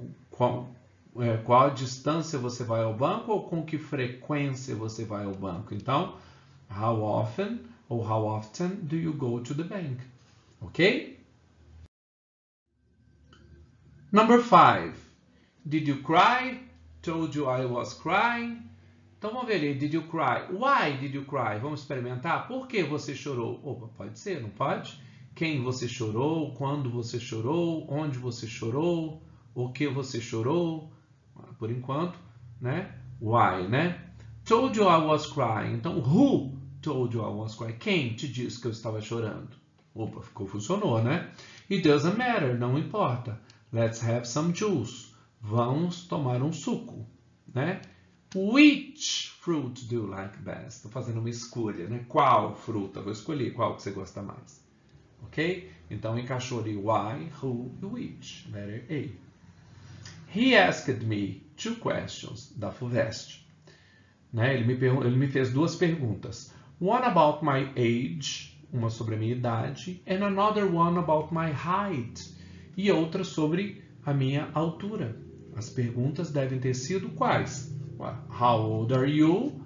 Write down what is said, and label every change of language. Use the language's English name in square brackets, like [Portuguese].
[Portuguese] Qual a distância você vai ao banco ou com que frequência você vai ao banco? [English] Então, how often ou how often do you go to the bank? Ok? Number 5. Did you cry? Told you I was crying. [Portuguese] Então vamos ver ali. [English] Did you cry? Why did you cry? [Portuguese] Vamos experimentar. Por que você chorou? Opa, pode ser, não pode? Quem você chorou? Quando você chorou? Onde você chorou? O que você chorou? Por enquanto, né? [English] Why, né? Told you I was crying. Então, who told you I was crying? [Portuguese] Quem te disse que eu estava chorando? Opa, funcionou, né? [English] It doesn't matter, [Portuguese] não importa. [English] Let's have some juice. [Portuguese] Vamos tomar um suco, né? [English] Which fruit do you like best? [Portuguese] Estou fazendo uma escolha, né? Qual fruta? Vou escolher qual que você gosta mais. Ok? Então, encaixou ali why, who e which. Letter A. [English] He asked me two questions da FUVEST. Né? [Portuguese] Ele me fez duas perguntas. [English] One about my age, [Portuguese] uma sobre a minha idade, [English] and another one about my height, [Portuguese] e outra sobre a minha altura. As perguntas devem ter sido quais? [English] How old are you?